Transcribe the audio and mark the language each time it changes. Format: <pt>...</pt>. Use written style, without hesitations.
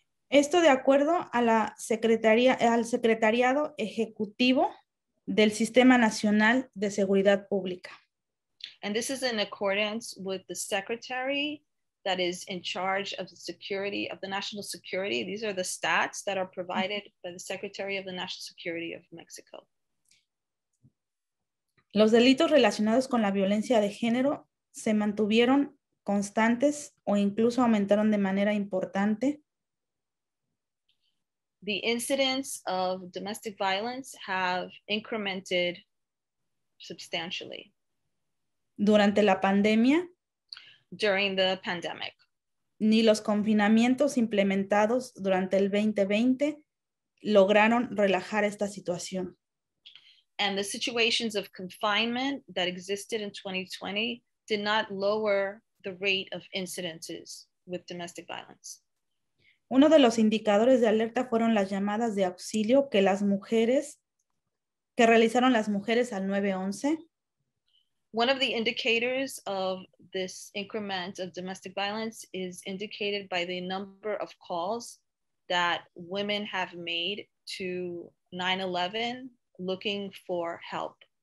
<es>Esto de acuerdo a la Secretariado Ejecutivo del Sistema Nacional de Seguridad Pública.</es> <en>And this is in accordance with the Secretary that is in charge of the security, of the national security. These are the stats that are provided by the Secretary of the National Security of Mexico.</en> <es>Los delitos relacionados con la violencia de género se mantuvieron constantes o incluso aumentaron de manera importante.</es> <en>The incidents of domestic violence have incremented substantially.</en> <es>Durante la pandemia,</es> <en>during the pandemic.</en> <es>ni los confinamientos implementados durante el 2020 lograron relajar esta situación.</es> <en>And the situations of confinement that existed in 2020 did not lower the rate of incidences with domestic violence.</en> <es>Uno de los indicadores de alerta fueron las llamadas de auxilio que las mujeres, que realizaron las mujeres al 911.</es> <en>One of the indicators of this increment of domestic violence is indicated by the number of calls that women have made to 911 looking for help.</en>